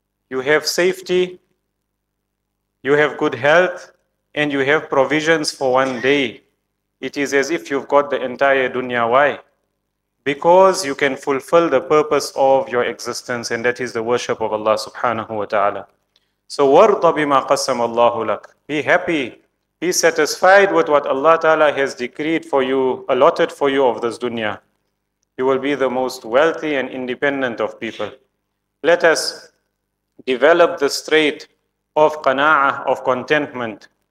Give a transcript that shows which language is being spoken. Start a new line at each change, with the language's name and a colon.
English: You have safety, you have good health, and you have provisions for one day. It is as if you've got the entire dunya. Why? Because you can fulfill the purpose of your existence, and that is the worship of Allah subhanahu wa ta'ala.
Arabic: So, وَرْضَ بِمَا قَسَّمَ اللَّهُ لَكَ.
English: Be happy, be satisfied with what Allah ta'ala has decreed for you, allotted for you of this dunya. You will be the most wealthy and independent of people. Let us develop the trait of qana'ah, of contentment.